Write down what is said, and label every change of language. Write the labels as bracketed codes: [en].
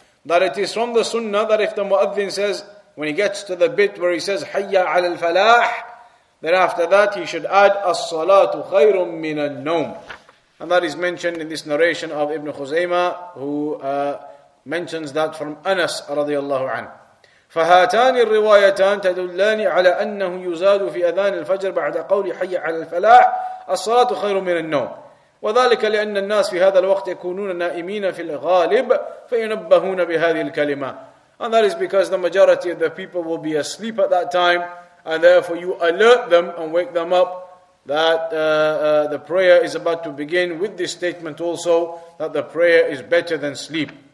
[en] That it is from the sunnah that if the mu'adhin says, when he gets to the bit where he says, hayya ala al-falah, then after that he should add, as-salatu khayrun min an-nawm. And that is mentioned in this narration of Ibn Khuzaymah, who mentions that from Anas radiallahu anhu. [ar] فهاتان الروايتان تدلان على أنه يزاد في أذان الفجر بعد قول حي على الفلاح الصلاة خير من النوم وذلك لأن الناس في هذا الوقت يكونون نائمين في الغالب فينبهون بهذه الكلمة. [en] And that is because the majority of the people will be asleep at that time, and therefore you alert them and wake them up that the prayer is about to begin with this statement also, that the prayer is better than sleep.